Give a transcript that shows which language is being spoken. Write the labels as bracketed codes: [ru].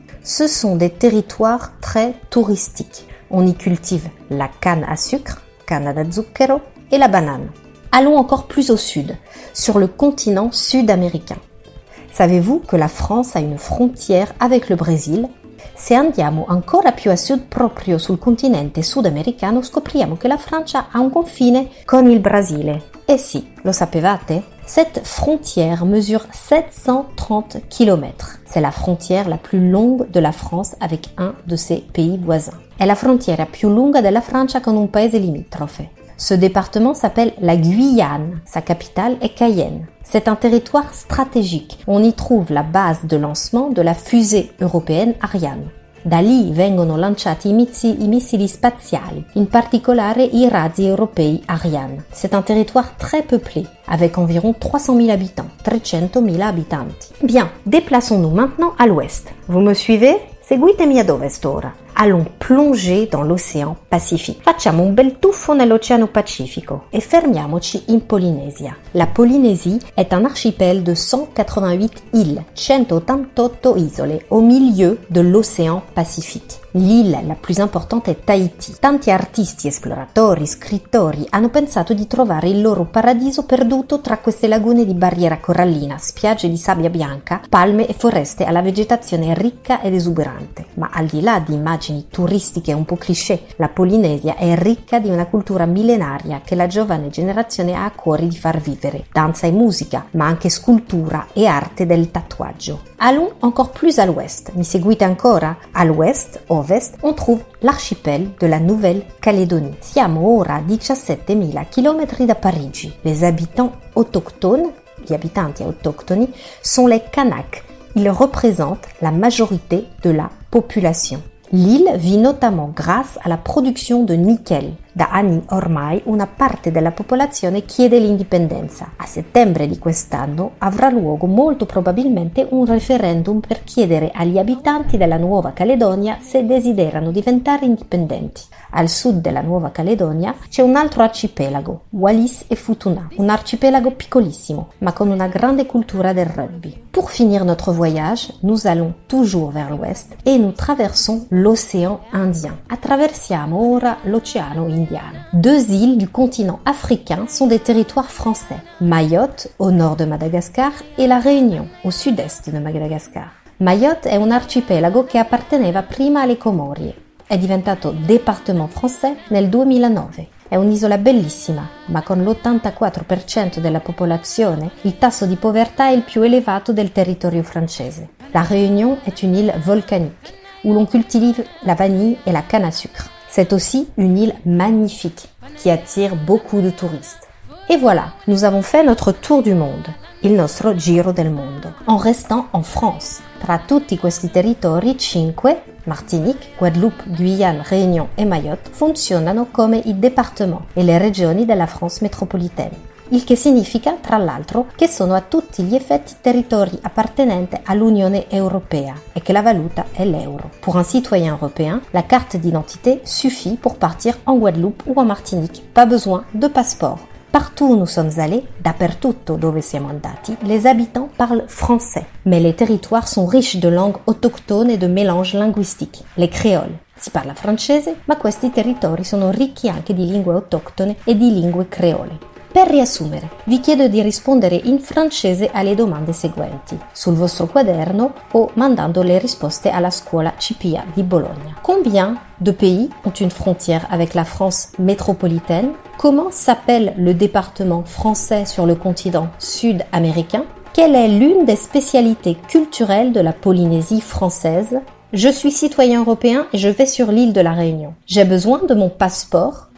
[fr] Ce sont des territoires très touristiques. On y cultive la canne à sucre, [it] canna da zucchero, [fr] et la banane. Allons encore plus au sud, sur le continent sud-américain. Savez-vous que la France a une frontière avec le Brésil? [it] Se andiamo ancora più a sud, proprio sul continente sudamericano, scopriamo che la Francia ha un confine con il Brasile. Eh sì, lo sapevate? [fr] Cette frontière mesure 730 km. C'est la frontière la plus longue de la France avec un de ses pays voisins. [it] È la frontiera più lunga della Francia con un paese limitrofe. [fr] Ce département s'appelle la Guyane, sa capitale est Cayenne. C'est un territoire stratégique. On y trouve la base de lancement de la fusée européenne Ariane. [it] Da lì vengono lanciati i missili spaziali, in particolare i razzi europei Ariane. [fr] C'est un territoire très peuplé, avec environ 300 000 habitants. 300 000 abitanti. Bien, déplaçons-nous maintenant à l'ouest. Vous me suivez? [it] Seguitemi ad ovest ora. [fr] Allons plonger dans l'océan Pacifique. [it] Facciamo un bel tuffo nell'oceano Pacifico e fermiamoci in Polinesia. [fr] La Polynésie est un archipel de 188 îles, 188 isole, au milieu de l'océan Pacifique. L'île la plus importante est Tahiti. [it] Tanti artisti, esploratori, scrittori hanno pensato di trovare il loro paradiso perduto tra queste lagune di barriera corallina, spiagge di sabbia bianca, palme e foreste alla vegetazione ricca ed esuberante. Ma al di là di immagini turistiche un po' cliché, la Polinesia è ricca di una cultura millenaria che la giovane generazione ha a cuore di far vivere. Danza e musica, ma anche scultura e arte del tatuaggio. [fr] Allons encore plus à l'ouest. [it] Mi seguite ancora? [fr] À l'ouest, [it] o [fr] ovest, on trouve l'archipel de la Nouvelle-Calédonie. [it] Siamo ora a 17.000 km da Parigi. [fr] Les habitants autochtones, [it] gli abitanti autoctoni, [fr] sont les Kanaks. Ils représentent la majorité de la population. L'île vit notamment grâce [it] alla produzione di nickel. Da anni ormai una parte della popolazione chiede l'indipendenza. A settembre di quest'anno avrà luogo molto probabilmente un referendum per chiedere agli abitanti della Nuova Caledonia se desiderano diventare indipendenti. Al sud della Nuova Caledonia c'è un altro arcipelago, Wallis e Futuna, un arcipelago piccolissimo, ma con una grande cultura del rugby. [fr] Pour finir notre voyage, nous allons toujours vers l'ouest et nous traversons l'océan Indien. [it] Attraversiamo ora l'océano Indiano. [fr] Deux îles du continent africain sont des territoires français, Mayotte au nord de Madagascar et La Réunion au sud-est de Madagascar. [it] Mayotte [fr] est un [it] archipelago che apparteneva prima alle Comorie. È diventato département français nel 2009. È un'isola bellissima, ma con l'84% della popolazione, il tasso di povertà è il più elevato del territorio francese. [fr] La Réunion est une île volcanique, où l'on cultive la vanille et la canne à sucre. C'est aussi une île magnifique, qui attire beaucoup de touristes. Et voilà, nous avons fait notre tour du monde, [it] il nostro giro del mondo, [fr] en restant en France. [it] Tra tutti questi territori, 5, Martinique, Guadeloupe, Guyane, Réunion et Mayotte, funzionano come i départements e le regioni della France métropolitaine. Il che significa, tra l'altro, che sono a tutti gli effetti territori appartenenti all'Unione Europea e che la valuta è l'euro. [fr] Pour un citoyen européen, la carte d'identité suffit pour partir en Guadeloupe ou en Martinique. Pas besoin de passeport. Partout où nous sommes allés, [it] dappertutto dove siamo andati, [fr] les habitants parlent français. Mais les territoires sont riches de langues autochtones et de mélanges linguistiques, les créoles. [it] Si parla francese, ma questi territori sono ricchi anche di lingue autoctone e di lingue creole. Per riassumere, vi chiedo di rispondere in francese alle domande seguenti, sul vostro quaderno o mandando le risposte alla scuola CPA di Bologna. [fr] Combien de pays ont une frontière avec la France métropolitaine? Comment s'appelle le département français sur le continent sud-américain? Quelle est l'une des spécialités culturelles de la Polynésie française? Je suis citoyen européen et je vais sur l'île de la Réunion. J'ai besoin de mon passeport?